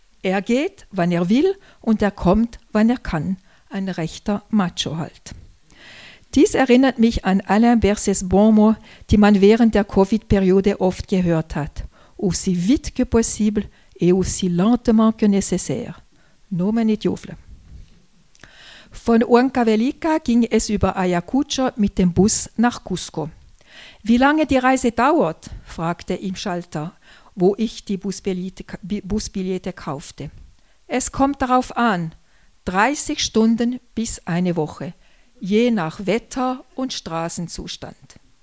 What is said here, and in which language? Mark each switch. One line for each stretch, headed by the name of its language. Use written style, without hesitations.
German: Er geht, wann er will, und er kommt, wann er kann. Ein rechter Macho halt. Dies erinnert mich an Alain Berset's Bon Mot, die man während der Covid-Periode oft gehört hat.
French: Aussi vite que possible et aussi lentement que nécessaire. Nomen et jufle.
German: Von Huancavelica ging es über Ayacucho mit dem Bus nach Cusco. Wie lange die Reise dauert, fragte ich im Schalter, wo ich die Busbillette kaufte. Es kommt darauf an, 30 Stunden bis eine Woche, je nach Wetter und Straßenzustand.